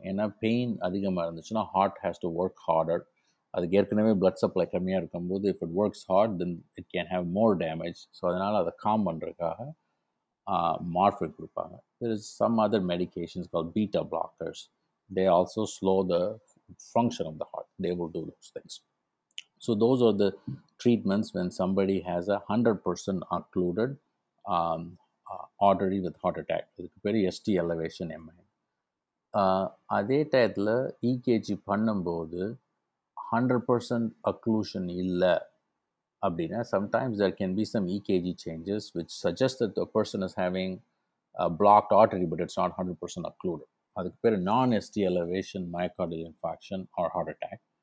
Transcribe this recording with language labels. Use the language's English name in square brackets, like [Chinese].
[Tamil] ஏன்னா பெயின் அதிகமாக இருந்துச்சுன்னா [English] heart has to work harder, [Tamil] அதுக்கு ஏற்கனவே பிளட் சப்ளை கம்மியாக இருக்கும்போது [English] If it works hard then it can have more damage. [Tamil] So அதனால் அதை காம் பண்ணுறதுக்காக மார்ஃபின் கொடுப்பாங்க. [English] There is some other medications call beta blockers, they also slow the function of the heart, they will do those things. So those are the treatments when somebody has a 100% occluded artery with heart attack. It could be ST elevation MI. [Tamil] அதே டயத்தில் ECG பண்ணும்போது 100% occlusion இல்லை அப்படின்னா [English] Sometimes there can be some ECG changes which suggest that the person is having block artery but it's not 100% occlude. [Tamil] அதுக்கு பேர் [English] Non ST elevation myocardial infarction or heart attack.